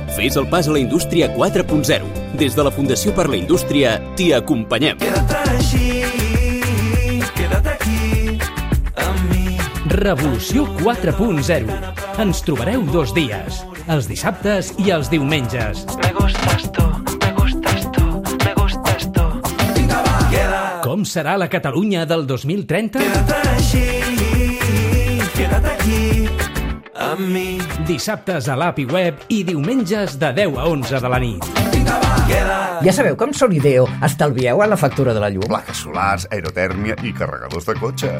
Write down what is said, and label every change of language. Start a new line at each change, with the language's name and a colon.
Catalan: Fes el pas a la indústria 4.0. Des de la Fundació per la Indústria, t'hi acompanyem. Queda't així, queda't aquí, amb mi. Revolució 4.0. Ens trobareu dos dies, els dissabtes i els diumenges.
Spanish: Me gustas tú, me gustas tú, me gustas tú.
Catalan: Vinga, va, queda. Com serà la Catalunya del 2030? Queda't així, queda't aquí. Amb mi. Dissabtes a l'API web i diumenges de 10 a 11 de la nit. Ja sabeu com Solideo estalvieu en la factura de la llum. Plaques solars, aerotèrmia i carregadors de cotxe.